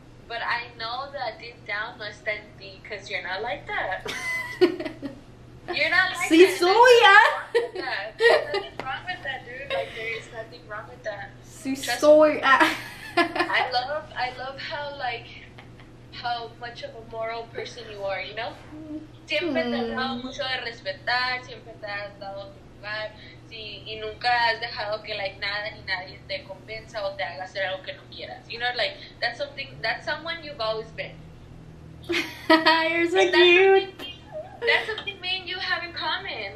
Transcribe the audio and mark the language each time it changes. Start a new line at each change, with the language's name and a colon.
English: But I know that deep down
Spanish: no está en ti,
English: because you're not like that. You're not like
Spanish: sí, Sí, soy, ¿eh?
English: There's nothing wrong with that, dude. Like, there is nothing wrong with that.
Spanish: Sí, trust soy, ¿eh?
English: I love how like how much of a moral person you are, you know?
Spanish: Siempre te has dado mucho de respetar, siempre te has dado tu lugar, sí, y nunca has dejado que like nada ni nadie te convenza o te haga hacer algo que no quieras.
English: You know, like that's something, that's someone you've always been. You're so cute. That's something me and you have in common.